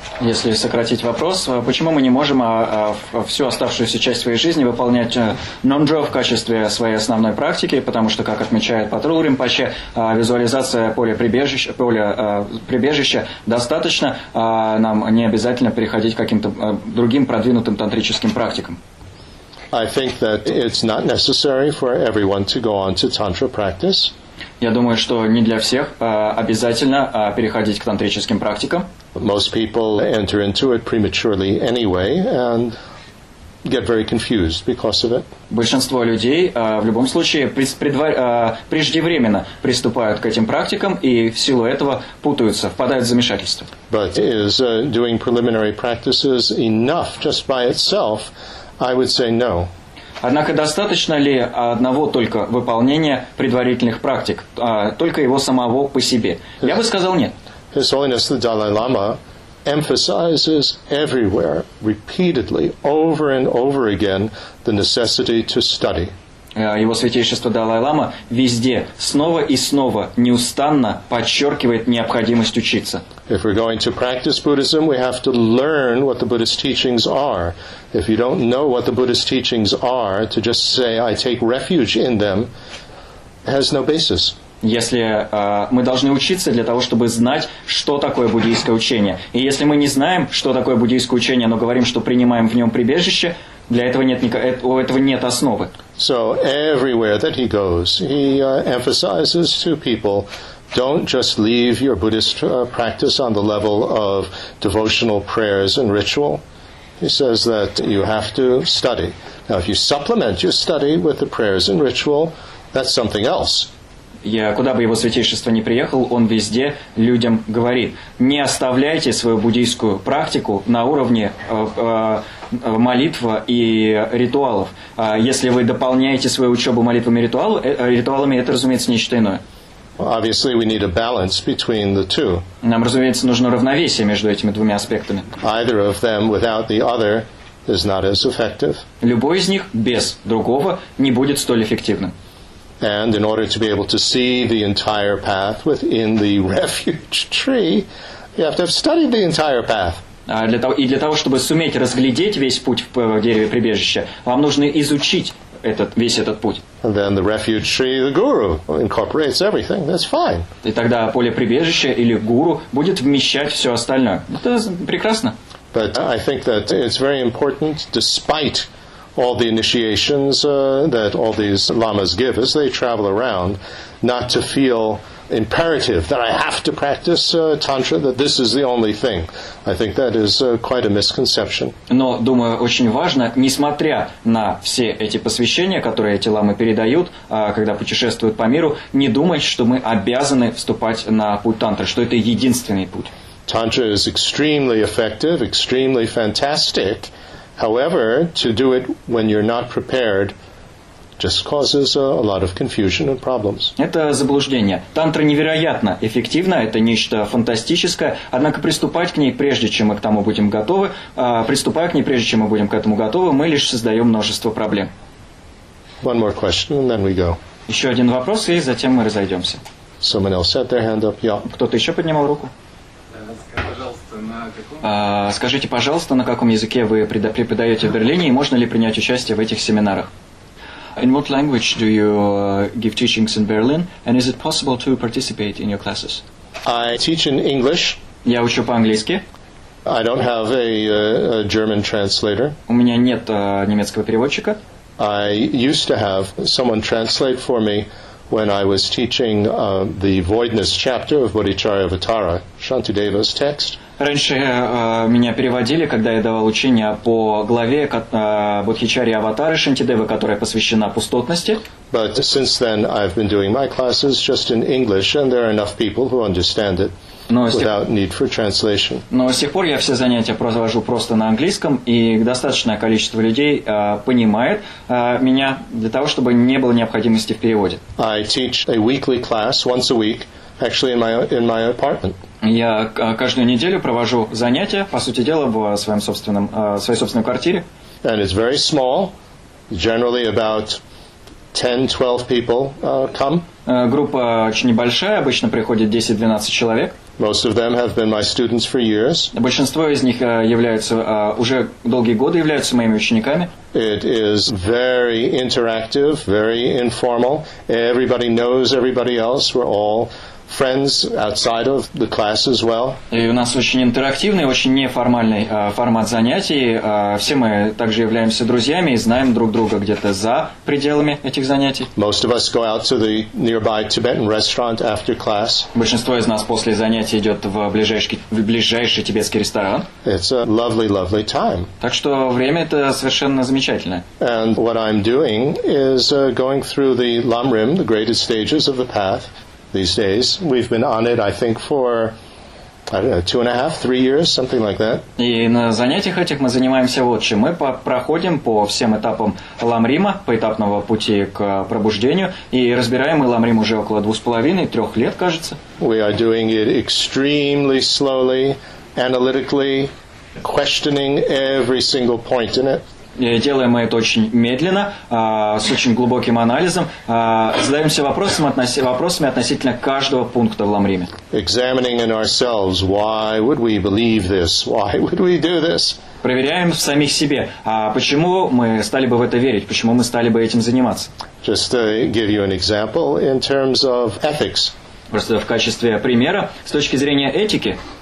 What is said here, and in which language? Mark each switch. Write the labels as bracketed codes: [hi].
[ru] Если сократить вопрос, почему мы не можем всю оставшуюся часть своей жизни выполнять нёндро в качестве своей основной практики, потому что, как отмечает Патрул Ринпоче, визуализация поля прибежища достаточно, нам не обязательно переходить к каким-то другим продвинутым тантрическим практикам. [en] I think that it's not necessary for everyone to go on to tantra practice. [ru] Я думаю, что не для всех обязательно переходить к тантрическим практикам. [en] Most people enter into it prematurely anyway and get very confused because of it. [ru] Большинство людей в любом случае преждевременно приступают к этим практикам и в силу этого путаются, впадают в замешательство. [en] But is doing preliminary practices enough just by itself? I would say no. [ru] Однако достаточно ли одного только выполнения предварительных практик, только его самого по себе? Я бы сказал нет. [en] His Holiness the Dalai Lama emphasizes everywhere, repeatedly, over and over again, the necessity to study. [ru] Его Святейшество Далай-Лама везде, снова и снова, неустанно подчеркивает необходимость учиться. [en] If we're going to practice Buddhism, we have to learn what the Buddhist teachings are. If you don't know what the Buddhist teachings are, to just say, I take refuge in them, has no basis. [ru] Если мы должны учиться для того, чтобы знать, что такое буддийское учение. И если мы не знаем, что такое буддийское учение, но говорим, что принимаем в нем прибежище, для этого нет у этого нет основы. [en] So everywhere that he goes, he emphasizes to people, don't just leave your Buddhist practice on the level of devotional prayers and ritual. He says that you have to study. Now, if you supplement your study with the prayers and ritual, that's something else. [ru] Я, куда бы его святейшество ни приехал, он везде людям говорит, не оставляйте свою буддийскую практику на уровне молитва и ритуалов. Если вы дополняете свою учебу молитвами и ритуалами, это, разумеется, нечто иное. [en] Obviously, we need a balance between the two. [ru] Нам, разумеется, нужно равновесие между этими двумя аспектами. [en] Either of them without the other is not as effective. [ru] Любой из них без другого не будет столь эффективным. [en] And in order to be able to see the entire path within the refuge tree, you have to have studied the entire path. [ru] Для того, чтобы суметь разглядеть весь путь в дереве прибежища, вам нужно изучить весь этот путь. [en] And then the refuge tree, the guru, incorporates everything. That's fine. [ru] И тогда поле прибежища или гуру будет вмещать все остальное. Это прекрасно. [en] But I think that it's very important, despite all the initiations that all these lamas give as they travel around, not to feel imperative that I have to practice tantra, that this is the only thing. I think that is quite a misconception. [ru] Но, думаю, очень важно, несмотря на все эти посвящения, которые эти ламы передают, когда путешествуют по миру, не думать, что мы обязаны вступать на путь тантры, что это единственный путь. [en] Tantra is extremely effective, extremely fantastic. However, to do it when you're not prepared just causes a lot of confusion and problems. [ru] Это заблуждение. Тантра невероятно эффективна, это нечто фантастическое, однако приступая к ней прежде, чем мы к этому готовы, мы лишь создаем множество проблем. [en] One more question, and then we go. [ru] Еще один вопрос, и затем мы разойдемся. [en] Someone else had their hand up. Yeah. [ru] Кто-то еще поднимал руку? Скажите, пожалуйста, на каком языке вы преподаете в Берлине и можно ли принять участие в этих семинарах? [en] In what language do you give teachings in Berlin, and is it possible to participate in your classes? I teach in English. [ru] Я учу по-английски. [en] I don't have a German translator. [ru] У меня нет немецкого переводчика. [en] I used to have someone translate for me when I was teaching the voidness chapter of Bodhicharya Avatara, Shantideva's text. [ru] Раньше меня переводили, когда я давал учение по главе Бодхичарьи Аватары Шантидевы, которая посвящена пустотности. [en] But since then I've been doing my classes just in English, and there are enough people who understand it without need for translation. [ru] Но с тех пор я все занятия провожу просто на английском, и достаточное количество людей понимает меня для того, чтобы не было необходимости в переводе. [en] I teach a weekly class once a week, actually in my apartment. [ru] Я каждую неделю провожу занятия, по сути дела, в своей собственной квартире. [en] And it's very small, generally about 10-12 people come. [ru] Группа очень небольшая, обычно приходит 10-12 человек. [en] Most of them have been my students for years. [ru] Большинство из них являются уже долгие годы являются моими учениками. [en] It is very interactive, very informal. Everybody knows everybody else. We're all friends outside of the class as well. [ru] И у нас очень интерактивный, очень неформальный формат занятий. Все мы также являемся друзьями и знаем друг друга где-то за пределами этих занятий. [en] Most of us go out to the nearby Tibetan restaurant after class. [ru] Большинство из нас после занятий идет в ближайший тибетский ресторан. [en] It's a lovely, lovely time. [ru] Так что время это совершенно замечательное. [en] And what I'm doing is going through the Lamrim, the greatest stages of the path. These days we've been on it, I think, for I don't know, 2.5-3 years, something like that. [ru] И на занятиях этих мы занимаемся вот чем. Мы проходим по всем этапам Ламрима, поэтапного пути к пробуждению, и разбираем Ламрим уже около 2.5-3 лет, кажется. [en] We are doing it extremely slowly, analytically, questioning every single point in it. [ru] И делаем мы это очень медленно, с очень глубоким анализом, задаемся вопросами относительно каждого пункта в Ламриме. [en] Examining in ourselves, why would we believe this? Why would we do this? [ru] Проверяем в самих себе, почему мы стали бы в это верить, почему мы стали бы этим заниматься. [en] Just to give you an example in terms of ethics. [ru] Просто в качестве примера, с точки зрения этики.